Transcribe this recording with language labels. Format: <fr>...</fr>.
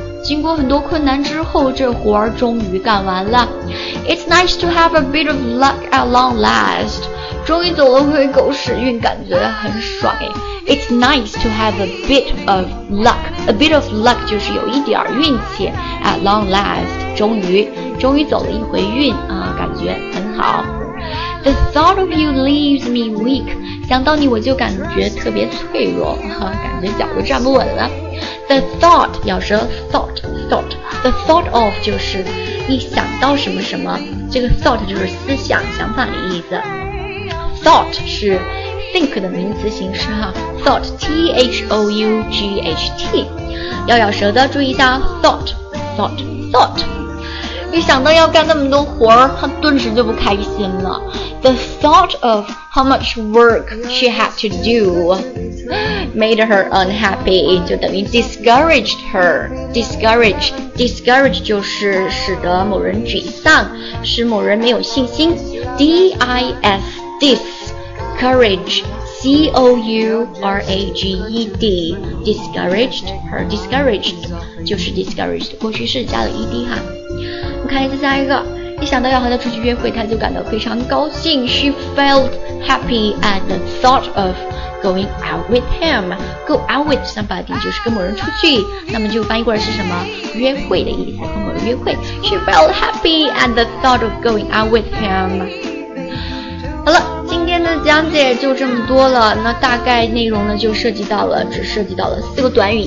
<zh>经过很多困难之后，这活儿终于干完了。</zh> <en>It's nice to have a bit of luck at long last.</en> <zh>终于走了回狗屎运，感觉很爽哎。</zh> <en>It's nice to have a bit of luck. A bit of luck</en> <zh>就是有一点运气。</zh> <en>At long last,</en> <zh>终于走了一回运啊，感觉很好。</zh> <en>The thought of you leaves me weak.</en> <zh>想到你我就感觉特别脆弱，感觉脚都站不稳了。 The thought 表示 thought.</zh> <en>The thought of</en> <zh>就是一想到什么什么，这个 thought 就是思想、想法的意思。 Thought 是think 的名词形式哈 ，thought t h o u g h t， 咬舌的注意一下 ，thought thought thought。一想到要干那么多活儿，她顿时就不开心了。</zh> <en>The thought of how much work she had to do made her unhappy,</en> <zh>就等于</zh> <en>discouraged her.</en> <zh>Discourage 就是使得某人沮丧，使某人没有信心。</zh> <en>D-I-S, discourage, C-O-U-R-A-G-E-D, discouraged her.</en> <zh>Discouraged 就是 discouraged, 过去式加了 ED 哈。我看一下下一个。一想到要和他出去约会，他就感到非常高兴。</zh> <en>She felt happy at the thought of going out with him. Go out with somebody</en> <zh>就是跟某人出去，那么就翻译过来是什么？约会的意思，和某人约会。</zh> <en>She felt happy at the thought of going out with him.</en> <zh>好了，今天的讲解就这么多了。那大概内容呢，就只涉及到了四个短语。</zh>